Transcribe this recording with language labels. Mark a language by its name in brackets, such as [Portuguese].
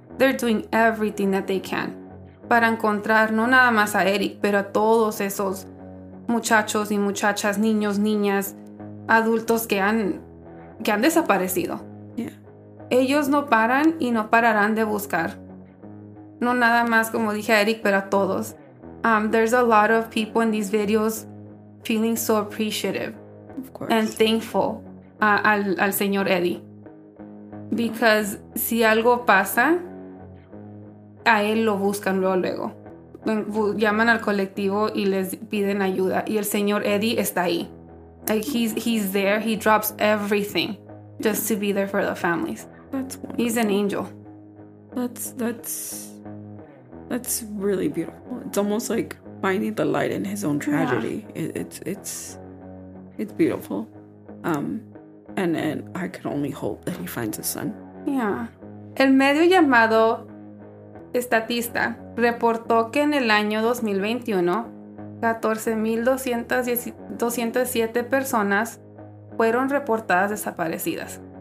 [English] They're doing everything that they can [Spanish] para encontrar no nada más a Eric, pero a todos esos muchachos y muchachas, niños, niñas, adultos que han desaparecido. [English] Yeah. [Spanish] Ellos no paran y no pararán de buscar. No nada más, como dije, a Eric, pero a todos. [English] There's a lot of people in these videos feeling so appreciative and thankful al señor Eddie. [Spanish] Because si algo pasa, a él lo buscan luego. Llaman al colectivo y les piden ayuda. Y el señor Eddie está ahí. [English] Like, he's there. He drops everything just to be there for the families. That's wonderful. He's an angel. That's really beautiful. It's almost like finding the light in his own tragedy. Yeah. It's beautiful. And I can only hope that he finds his son. Yeah. [Spanish] El medio llamado Estatista reportó que en el año 2021, 14,207 personas fueron reportadas desaparecidas.